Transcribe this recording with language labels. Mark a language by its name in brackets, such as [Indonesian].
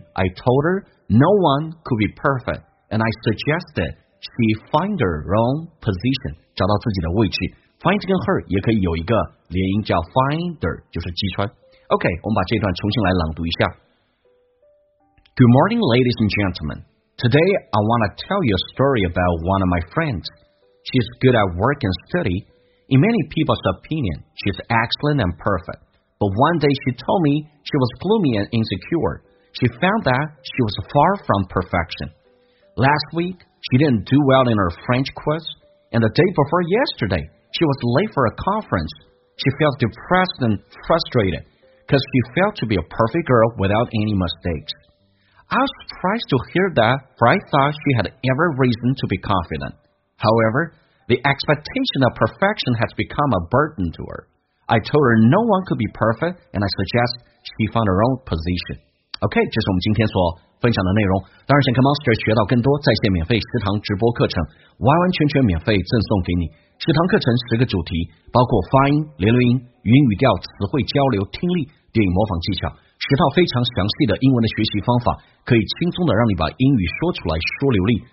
[English] I told her no one could be perfect， and I suggested she find her own position， [Chinese] 找到自己的位置。 Find 跟 her 也可以有一个连音，叫 finder， 就是击穿。 OK， 我们把这段重新来朗读一下。 [English] Good morning, ladies and gentlemen. Today I want to tell you a story about one of my friends. She's good at work and study. In many people's opinion, she's excellent and perfect. But one day she told me she was gloomy and insecure. She found that she was far from perfection. Last week, she didn't do well in her French quiz. And the day before yesterday, she was late for a conference. She felt depressed and frustrated because she failed to be a perfect girl without any mistakes. I was surprised to hear that, for I thought she had every reason to be confident. However,The expectation of perfection has become a burden to her. I told her no one could be perfect, and I suggest she find her own position. [Chinese] OK， 这是我们今天所分享的内容。当然，想跟 Monster 学到更多在线免费食堂直播课程，完完全全免费赠送给你。食堂课程十个主题，包括发音、连读音、语音语调、词汇交流、听力、电影模仿技巧，十套非常详细的英文的学习方法，可以轻松的让你把英语说出来，说流利。